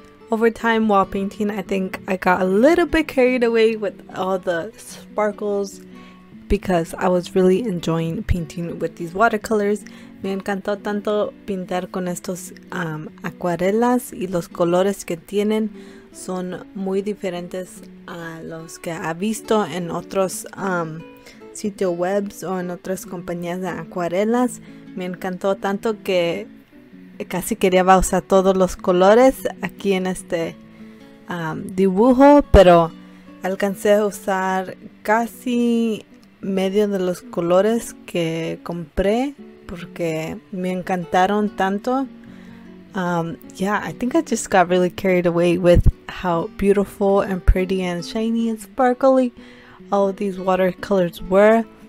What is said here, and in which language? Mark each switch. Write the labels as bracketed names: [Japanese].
[English] Over time while painting, I think I got a little bit carried away with all the sparkles because I was really enjoying painting with these watercolors. [Spanish] Me encantó tanto pintar con estos acuarelas y los colores que tienen son muy diferentes a los que he visto en otros sitios webs o en otras compañías de acuarelas. Me encantó tanto que casi quería usar todos los colores aquí en este dibujo, pero alcancé a usar casi medio de los colores que compré porque me encantaron tanto. [English] Yeah, I think I just got really carried away with how beautiful and pretty and shiny and sparkly all of these watercolors were.